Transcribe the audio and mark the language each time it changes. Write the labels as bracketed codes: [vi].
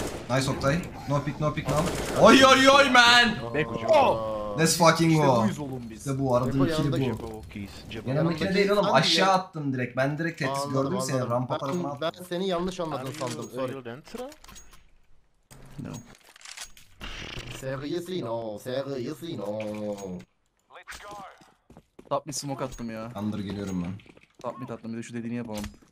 [en] Nice Oktay. No pick, no pick, no. Oy oy oy man! [tr] Beko'cum. Oh. [en] Let's fucking go. [tr] İşte buyuz oğlum biz. İşte bu aradığı ikili bu. Yine makine değil oğlum, aşağı attım direkt. Ben direkt tetris gördüm seni, rampa tarafına attım. Ben seni yanlış anladım sandım, sorry. [en] No. Seriously no, seriously no. [tr] Top mid smoke attım ya. Under geliyorum ben. Top mid attım, bir de şu dediğini yapalım.